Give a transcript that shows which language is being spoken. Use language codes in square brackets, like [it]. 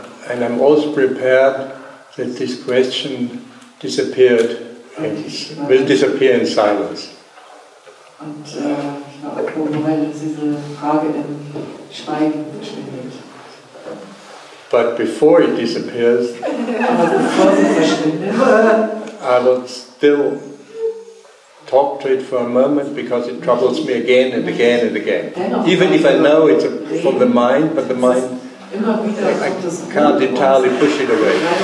[en] And I'm also prepared that this question disappeared. It will disappear in silence. [de] Und ich war auch vorbereitet, dass diese Frage im Schweigen verschwindet. [en] But before it disappears, [de] aber bevor sie verschwindet, [en] I would still talk to it for a moment because it troubles me again and again and again. Even if I know it's from the mind, but the mind, [de] immer wieder [en] I can't entirely push it away.